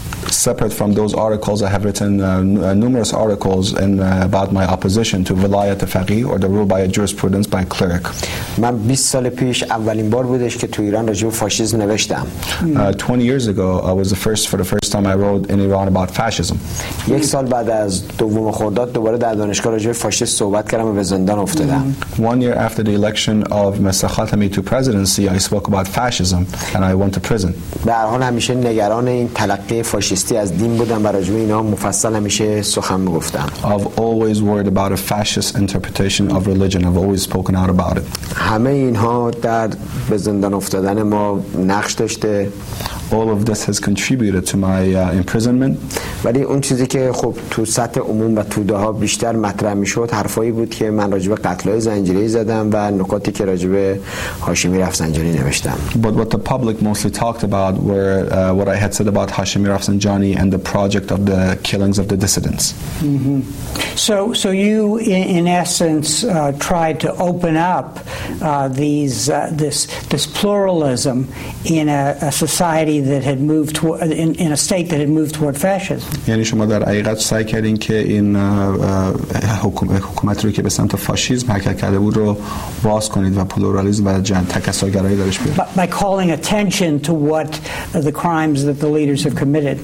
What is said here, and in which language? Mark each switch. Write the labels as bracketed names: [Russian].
[English] Separate from those articles, I have written numerous articles in about my opposition to velayat faqih or the rule by a jurisprudence by a cleric. [Persian] من 20 سال پیش اولین بار بودش که تو ایران راجع به فاشیسم نوشتم. [English] 20 years ago, I was the first time I wrote in Iran about fascism. [Persian] یک سال بعد از دوم خرداد دوباره در دانشگاه راجع به فاشیسم صحبت کردم و به زندان افتادم. [English] One year after the election of Mr. Khatami to presidency, I spoke about fascism and I went to prison. [Persian] به هر حال همیشه نگران این تلقی فاشیستی از دین بودم و راجع به اینا مفصل همیشه سخن میگفتم. [English] I've always worried about a fascist interpretation of religion. I've always spoken out about it. [Persian] همه اینها در به زندان افتادن ما نقش داشته. [English] All of this has contributed to my imprisonment. [Persian] ولی اون چیزی که خب تو سطح عموم و توده‌ها بیشتر مطرح میشد حرفایی بود که من راجع به قتل‌های زنجیره‌ای زدم و نکاتی که راجع به هاشمی رفسنجانی نوشتم. [English] But what the public mostly talked about were what I had said about Hashimi Rafsanjani and the project of the killings of the dissidents. So you in essence tried to open up this pluralism in a society that had moved toward, in a state that had moved toward fascism. [Persian] یعنی شما در حقیقت سعی کردین که این حکومتی که به سمت فاشیسم حرکت کرده بود رو باز کنید و پلورالیسم و جن تکثرگرایی درش بیارید. [English] By calling attention to what the crimes that the leaders have committed.